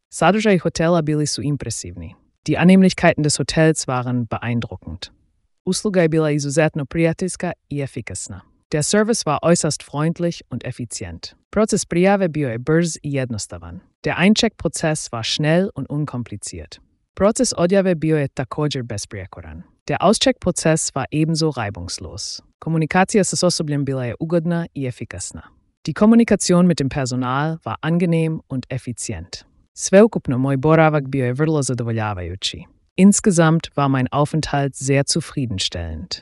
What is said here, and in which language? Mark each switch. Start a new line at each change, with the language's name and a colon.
Croatian: Sadržaj hotela bili su impresivni.
German: Die Annehmlichkeiten des Hotels waren beeindruckend.
Croatian: Usluga je bila izuzetno prijateljska i efikasna.
German: Der Service war äußerst freundlich und effizient.
Croatian: Proces prijave bio je brz i jednostavan.
German: Der Eincheck-Prozess war schnell und unkompliziert.
Croatian: Proces odjave bio je također besprijekoran.
German: Der Auscheck-Prozess war ebenso reibungslos.
Croatian: Komunikacija sa osobljem bila je ugodna i efikasna.
German: Die Kommunikation mit dem Personal war angenehm und effizient.
Croatian: Sveukupno moj boravak bio je vrlo zadovoljavajući.
German: Insgesamt war mein Aufenthalt sehr zufriedenstellend.